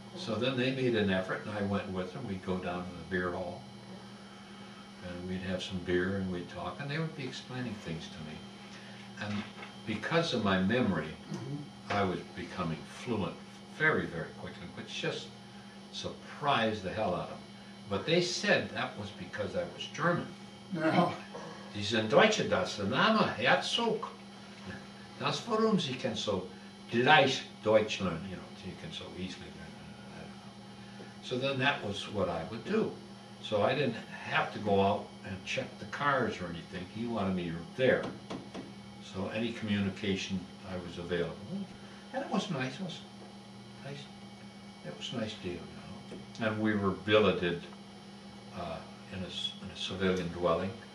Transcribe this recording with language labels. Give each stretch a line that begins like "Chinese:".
English: So then they made an effort, and I went with them. We'd go down to the beer hall, and we'd have some beer, and we'd talk, and they would be explaining things to me. And because of my memory, mm-hmm. I was becoming fluent very, very quickly, which just surprised the hell out of them. But they said that was because I was German.
German: Sie sind Deutsche, das Name, Herzog. Das warum Sie kann so leicht Deutsch lernen,
English: you know,
German: Sie kann so
English: easily learn. So then that was what I would do. So I didn't have to go out and check the cars or anything. He wanted me there. So any communication, I was available. And it was nice. It was nice deal, you know. And we were billeted in a civilian dwelling.